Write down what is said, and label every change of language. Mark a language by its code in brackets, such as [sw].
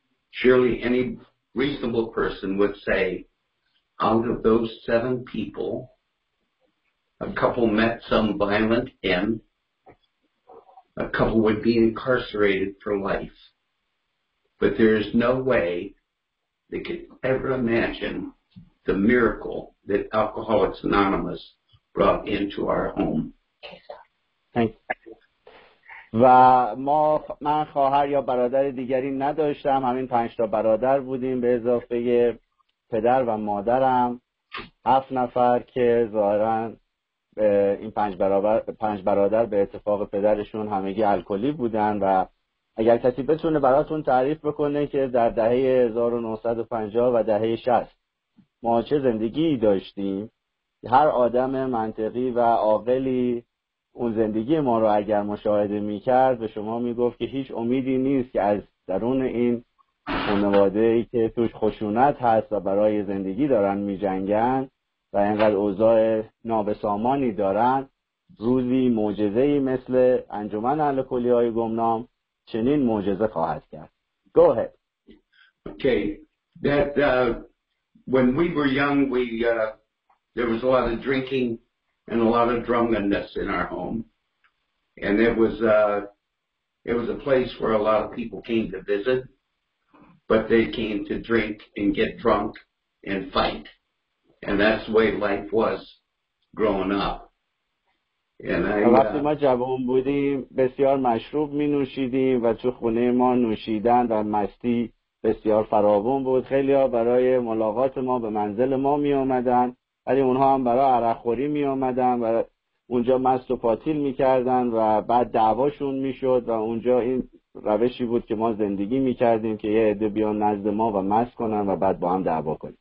[en] Surely any reasonable person would say, out of those seven people, a couple met some violent end, a couple would be incarcerated for life. But there is no way they could ever imagine the miracle that Alcoholics Anonymous brought into our home. Thank you. [fa] و ما من خواهر یا برادر دیگری نداشتم. همین 5 تا برادر بودیم به اضافه پدر و مادرم. 7 نفر که ظاهرا این 5 برادر به اتفاق پدرشون همگی الکلی بودن. و اگر کسی بتونه براتون تعریف بکنه که در دهه 1950 و دهه 60 ما چه زندگی داشتیم، هر آدم منطقی و عاقلی اون زندگی ما رو اگر مشاهده می کرد به شما می گفت که هیچ امیدی نیست که از درون این خانواده ای که توش خشونت هست و برای زندگی دارن می جنگن و اینقدر اوضاع نابسامانی دارن، روزی معجزه‌ای مثل انجمن الکلی های گمنام چنین معجزه خواهد کرد. [en] Go ahead. Okay. When we were young, there was a lot of drinking and a lot of drunkenness in our home, and it was a place where a lot of people came to visit, but they came to drink and get drunk and fight, and that's the way life was growing up. [fa] وقتی ما جوان بودیم بسیار مشروب می نوشیدیم و تو خونه ما نوشیدن و مستی بسیار فراوان بود. خیلی ها برای ملاقات ما به منزل ما می آمدن، ولی اونها هم برای عرق خوری می آمدن و اونجا مست و پاتیل می کردن و بعد دعواشون می شد و اونجا این روشی بود که ما زندگی می کردیم که یه عده بیان نزد ما و مست کنن و بعد با هم دعوا کنیم.